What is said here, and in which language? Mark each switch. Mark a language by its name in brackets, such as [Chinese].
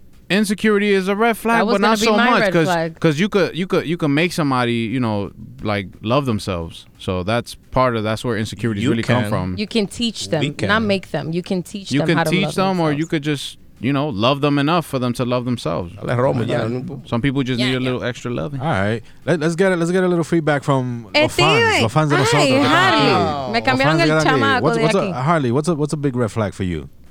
[English] Insecurity is a red flag, but not so much because you could make somebody like love themselves. So that's where insecurities really come from. You can teach them, not make them. You can teach them. You can teach them, or you could just love them enough for them to love themselves. Some people just need a little extra loving. All right, let's get a little feedback from [Spanish] los fans de nosotros. Hey, Harley, me cambiaron el chamaco de aquí. [English] Harley, what's a big red flag for you?